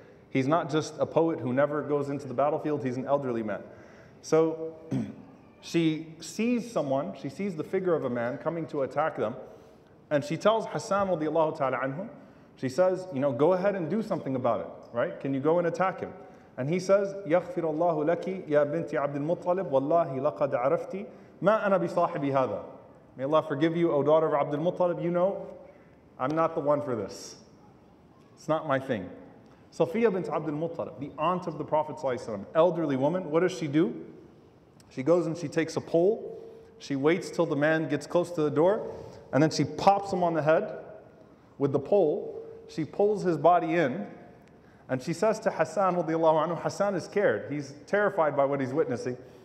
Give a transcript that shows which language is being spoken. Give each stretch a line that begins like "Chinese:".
English: He's not just a poet who never goes into the battlefield, he's an elderly man. So she sees someone, she sees the figure of a man coming to attack them, and she tells Hassan radiallahu ta'ala anhu, she says, you know, go ahead and do something about it, right? Can you go and attack him? And he says,
Arabic: يَغْفِرَ اللَّهُ لَكِ يَا بِنْتِ عَبْدِ الْمُطَّلِبِ وَاللَّهِ لَقَدْ عَرَفْتِ مَا أَنَا بِصَاحِبِ هَذَا.
English: May Allah forgive you, O daughter of Abd al-Muttalib, you know, I'm not the one for this. It's not my thing. Safiya bint Abd al-Muttalib, the aunt of the Prophet sallallahu alayhi wa sallam, elderly woman, what does she do? She goes and she takes a pole, she waits till the man gets close to the door, and then she pops him on the head with the pole, she pulls his body in, and she says to Hassan radiallahu anhu, Hassan is scared, he's terrified by what he's witnessing.